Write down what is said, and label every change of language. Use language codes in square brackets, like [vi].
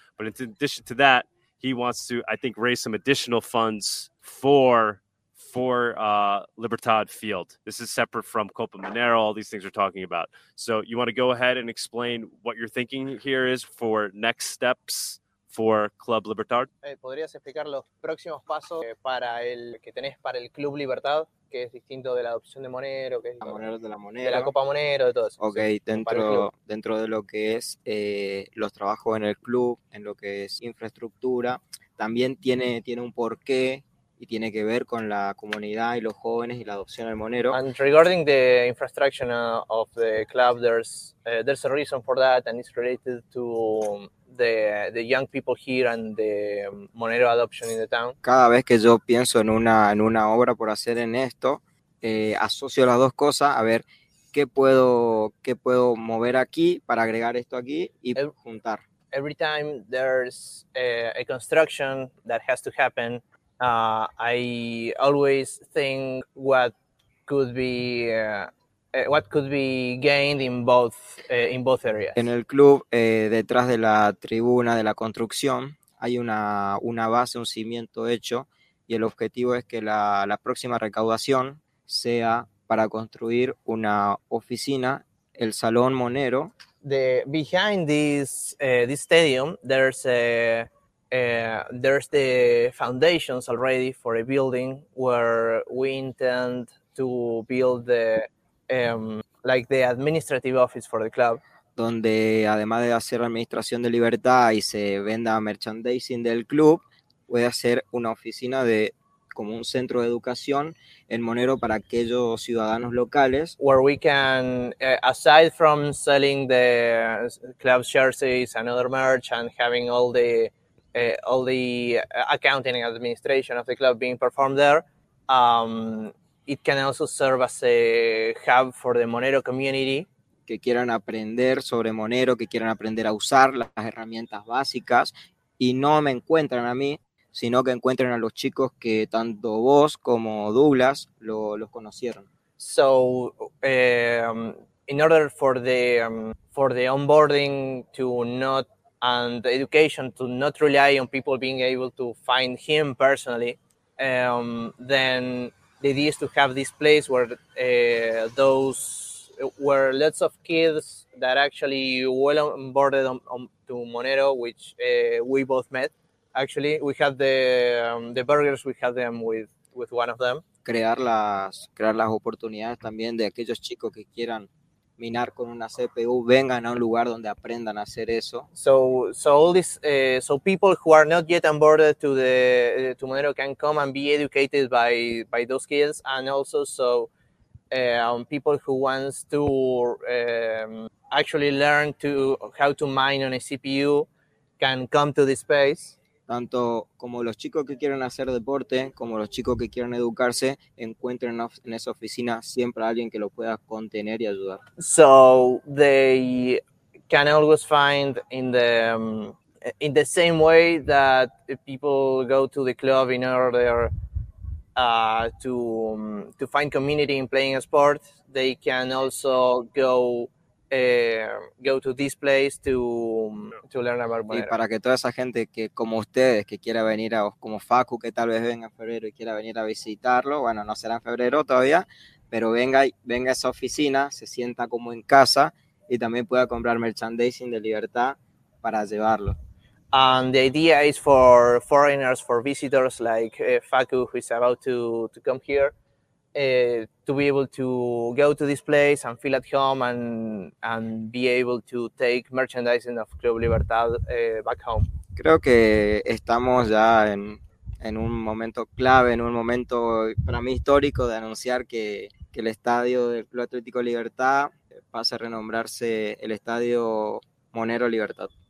[en] But in addition to that, he wants to, I think, raise some additional funds for Libertad Field. This is separate from Copa Monero, all these things we're talking about. So you want to go ahead and explain what you're thinking here is for next steps for Club Libertad? [es] ¿Podrías explicar los próximos pasos que tenés para el Club Libertad, que es distinto de la adopción de Monero, que es de la Copa Monero, de todo eso? Ok, ¿sí? dentro de lo que es los trabajos en el club, en lo que es infraestructura, también tiene un porqué y tiene que ver con la comunidad y los jóvenes y la adopción del Monero. [en] And regarding the infrastructure of the club, there's a reason for that, and it's related to the young people here and the Monero adoption in the town. [es] Cada vez que yo pienso en una obra por hacer en esto, asocio las dos cosas, a ver qué puedo mover aquí para agregar esto aquí y juntar. [en] Every time there's a construction that has to happen, I always think what could be gained in both areas. [es] En el club, detrás de la tribuna de la construcción, hay una base, un cimiento hecho, y el objetivo es que la próxima recaudación sea para construir una oficina, el Salón Monero. [en] Behind this stadium, there's the foundations already for a building where we intend to build the administrative office for the club. [es] Donde además de hacer administración de Libertad y se venda merchandising del club, puede hacer una oficina de como un centro de educación en Monero para aquellos ciudadanos locales. [en] Where we can, aside from selling the club jerseys and other merch and having all the accounting and administration of the club being performed there, it can also serve as a hub for the Monero community. [es] Que quieran aprender sobre Monero, que quieran aprender a usar las herramientas básicas y no me encuentran a mí, sino que encuentren a los chicos que tanto vos como Douglas los conocieron. [en] So, in order for the onboarding to not and the education to not rely on people being able to find him personally, then the idea is to have this place where those where lots of kids that actually well onboarded on to Monero, which we both met. Actually, we had the burgers. We had them with one of them. [es] Crear las oportunidades también de aquellos chicos que quieran minar con una CPU, vengan a un lugar donde aprendan a hacer eso. [en] So all this, so people who are not yet onboarded to the to Monero can come and be educated by those kids, and also so people who wants to actually learn to how to mine on a CPU can come to this space. [es] Tanto como los chicos que quieren hacer deporte, como los chicos que quieren educarse, encuentren en esa oficina siempre a alguien que lo pueda contener y ayudar. [en] So they can always find in the same way that people go to the club in order to find community in playing a sport, they can also go. Go to this place to learn about Monero. [es] Y para que toda esa gente que como ustedes que quiera venir a como Facu que tal vez venga en febrero y quiera venir a visitarlo, bueno, no será en febrero todavía, pero venga a esa oficina, se sienta como en casa y también pueda comprar merchandising de Libertad para llevarlo. [en] And the idea is for foreigners, for visitors like Facu who is about to come here. To be able to go to this place and feel at home and be able to take merchandising of Club Libertad back home. [es] Creo que estamos ya en un momento clave, en un momento para mí histórico de anunciar que el estadio del Club Atlético Libertad pasa a renombrarse el estadio Monero Libertad.